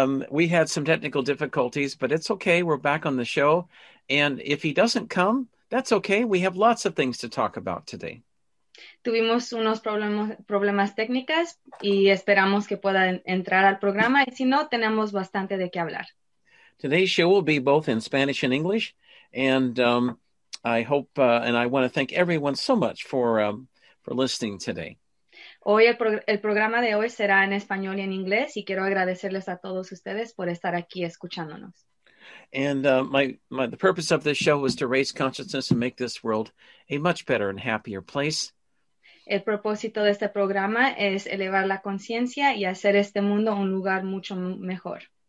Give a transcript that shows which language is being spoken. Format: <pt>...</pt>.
<en>We had some technical difficulties, but it's okay. We're back on the show. And if he doesn't come, that's okay. We have lots of things to talk about today.</en> <es>Tuvimos unos problemas técnicas y esperamos que pueda entrar al programa. Y si no, tenemos bastante de qué hablar.</es> <en>Today's show will be both in Spanish and English. And I hope and I want to thank everyone so much for listening today.</en> <es>Hoy el programa de hoy será en español y en inglés. Y quiero agradecerles a todos ustedes por estar aquí escuchándonos.</es> <en>And the purpose of this show was to raise consciousness and make this world a much better and happier place.</en> <es>El propósito de este programa es elevar la conciencia y hacer este mundo un lugar mucho mejor.</es>